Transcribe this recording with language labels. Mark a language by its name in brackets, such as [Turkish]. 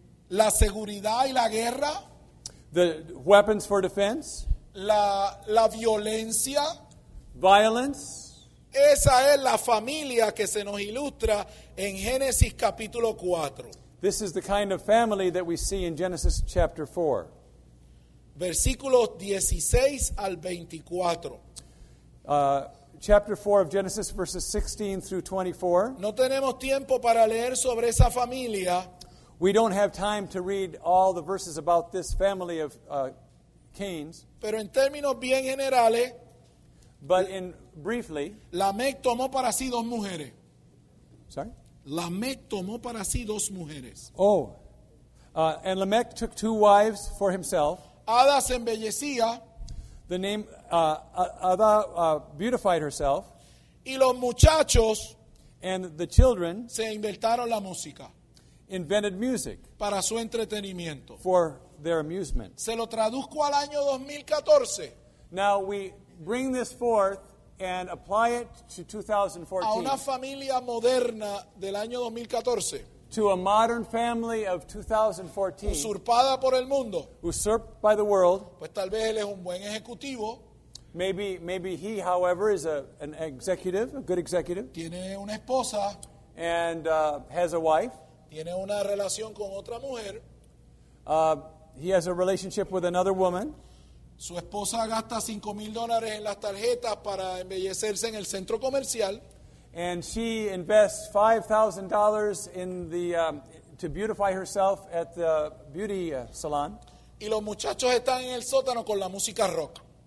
[Spanish] La seguridad y la guerra. [English] The weapons for defense. [Spanish] La violencia. [English] Violence. [Spanish] Esa es la familia que se nos ilustra en Génesis capítulo 4. [English] This is the kind of family that we see in Genesis chapter 4. [Spanish] Versículos 16 al 24. [English] Chapter 4 of Genesis, verses 16 through 24. [Spanish] No tenemos tiempo para leer sobre esa familia. [English] We don't have time to read all the verses about this family of Cain's. [Spanish] Pero en términos bien generales, [English] but in briefly, [Spanish] Lamech tomó para sí dos mujeres. [English] Sorry? [Spanish] Lamech tomó para sí dos mujeres. Oh. [English] And Lamech took two wives for himself. [Spanish] Ada se embellecía. [English] The name Ada beautified herself. [Spanish] Y los muchachos, [English] and the children, [Spanish] se inventaron la música. [English] Invented music [Spanish] para su entretenimiento. [English] For their amusement. [Spanish] Se lo traduzco al año 2014. [English] Now we bring this forth and apply it to 2014. [Spanish] A una familia moderna del año 2014. [English] To a modern family of 2014. [Spanish] Usurpada por el mundo. [English] Usurped by the world. [Spanish] Pues tal vez él es un buen ejecutivo. [English] Maybe he, however, is an executive, a good executive. [Spanish] Tiene una esposa. [English] And has a wife. [Spanish] Tiene una relación con otra mujer. [English] He has a relationship with another woman. [Spanish] Su esposa gasta $5,000 en las tarjetas para embellecerse en el centro comercial. [English] And she invests $5,000 in the to beautify herself at the beauty salon. [Spanish] Y los muchachos están en el sótano con la música rock.